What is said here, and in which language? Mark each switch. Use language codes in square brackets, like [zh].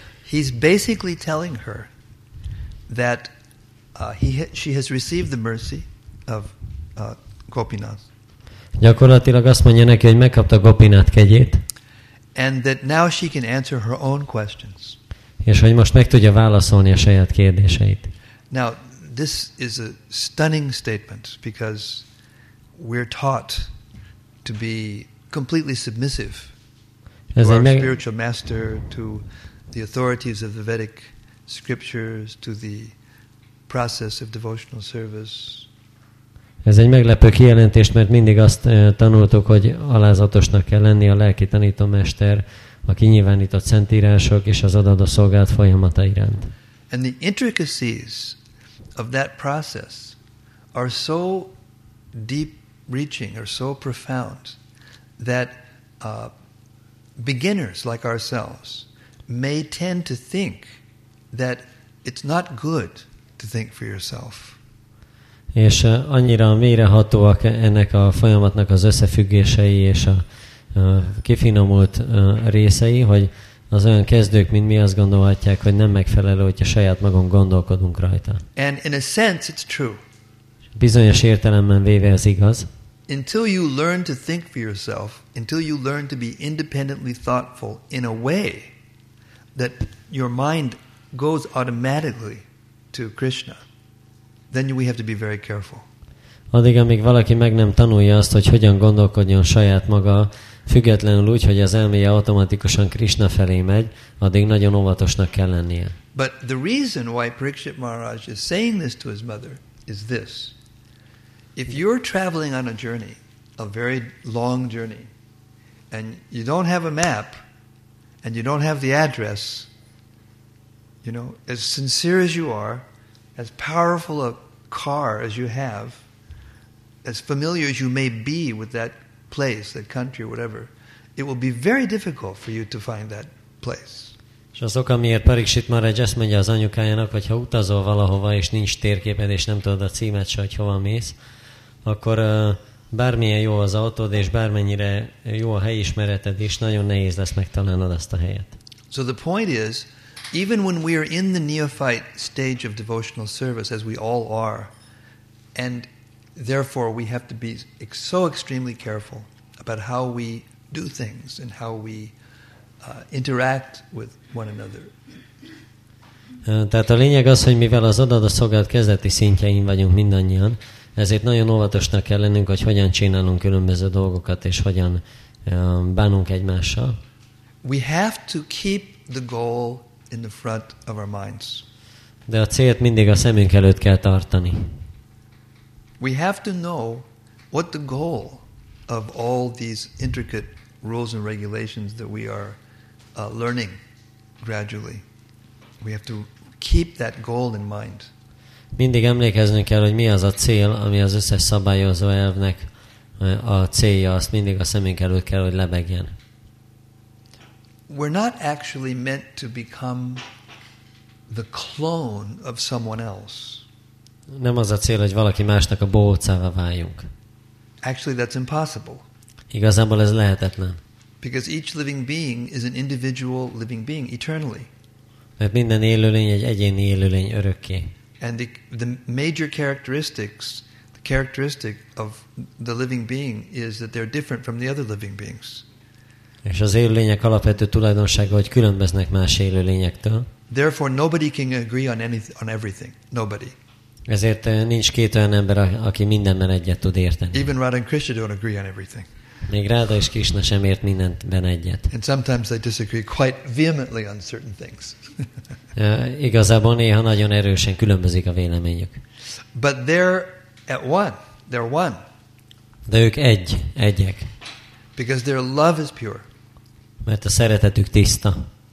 [en] He's basically telling her that she has received the mercy of Gopinath. [hu] Gyakorlatilag azt mondja neki, hogy megkapta Gopinath kegyét. [en] And that now she can answer her own questions. [hu] És hogy most meg tudja válaszolni a saját kérdéseit. [en] Now, this is a stunning statement because we're taught to be completely submissive to our spiritual master, to the authorities of the Vedic scriptures, to the process of devotional service. [hu] Ez egy meglepő kijelentést, mert mindig azt tanultuk, hogy alázatosnak kell lenni a lelki tanító mester, a kinyilvánított szentírások és az adat a szolgált folyamata iránt. [en] And the intricacies of that process are so deep reaching or so profound that beginners like ourselves may tend to think that it's not good to think for yourself. [hu] És annyira mélyrehatóak ennek a folyamatnak az összefüggései és a kifinomult részei, hogy az olyan kezdők, mint mi azt gondolhatják, hogy nem megfelelő, hogyha saját magunk gondolkodunk rajta. [en] And in a sense it's true. [hu] Bizonyos értelemben véve ez igaz. [en] Until you learn to think for yourself, until you learn to be independently thoughtful in a way that your mind goes automatically to Krishna, then we have to be very careful. [hu] Addig, amíg valaki meg nem tanulja azt, hogy hogyan gondolkodjon saját maga, Függetlenül úgy, hogy az elméje automatikusan Krishna felé megy, addig nagyon óvatosnak kell lennie. [en] But the reason why Parikshit Maharaj is saying this to his mother is this. If you're traveling on a journey, a very long journey, and you don't have a map, and you don't have the address, you know, as sincere as you are, as powerful a car as you have, as familiar as you may be with that place, that country, whatever, it will be very difficult for you to find that place. [hu] És az oka, miért Parikshit Maharaj ezt mondja az anyukájának, hogy ha utazol valahova, és nincs térképed, és nem tudod a címet se, hogy hova mész, akkor bármilyen jó az autód, és bármennyire jó a helyismereted is, nagyon nehéz lesz megtalálnod azt a helyet. [en] So the point is, even when we are in the neophyte stage of devotional service, as we all are, and therefore we have to be so extremely careful about how we do things and how we interact with one another. [hu] Tehát a lényeg az, hogy mivel az adada szolgált kezdeti szintjein vagyunk mindannyian, ezért nagyon óvatosnak kell lennünk, hogy hogyan csinálunk különböző dolgokat, és hogyan bánunk egymással. [en] We have to keep the goal in the front of our minds. [hu] De a célt mindig a szemünk előtt kell tartani. [en] We have to know what the goal of all these intricate rules and regulations that we are learning gradually. We have to keep that goal in mind. [hu] Mindig emlékeznünk kell, hogy mi az a cél, ami az összes szabályozó elvnek a célja, azt mindig a szemünk előtt kell, hogy lebegjen. [en] We're not actually meant to become the clone of someone else. [hu] Nem az a cél, hogy valaki másnak a bohócává váljunk. [en] Actually, that's impossible. [hu] Igazából ez lehetetlen. [en] Because each living being is an individual living being eternally. [hu] Mert minden élőlény egy egyéni élőlény örökké. [en] And the major characteristics, the characteristic of the living being is that they're different from the other living beings. [hu] És az élőlények alapvető tulajdonsága, hogy különböznek más élőlényektől. [en] Therefore, nobody can agree on anything, on everything. Nobody. [hu] Ezért nincs két olyan ember, aki mindenben egyet tud érteni. [en] Even Radha and Krishna don't agree on everything. [hu] Még Radha és Krishna sem ért mindenben egyet. [en] And sometimes they disagree quite vehemently on certain things. [hu] Igazából néha nagyon erősen különbözik a véleményük. [en] But they're at one. They're one. [hu] De ők egy, egyek. [en] Because their love is pure. [hu] Mert a szeretetük tiszta.